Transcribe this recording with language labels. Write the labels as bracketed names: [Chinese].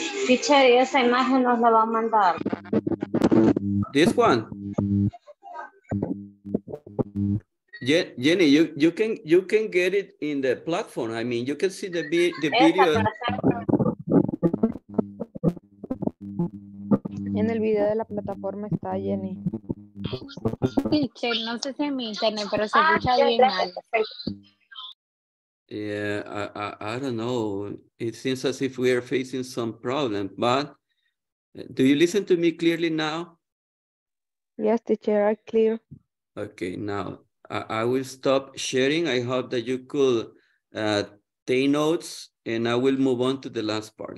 [Spanish] Teacher, esa imagen nos la va a mandar. [English] This one. Yeah, Jenny, you can get it in the platform. I mean, you can see the video. [Spanish] En el video de la plataforma está Jenny. No sé si mi internet, pero se escucha bien mal. [English] Yeah, I don't know. It seems as if we are facing some problem, but do you listen to me clearly now? Yes, teacher, I'm clear. Okay, now I will stop sharing. I hope that you could take notes and I will move on to the last part.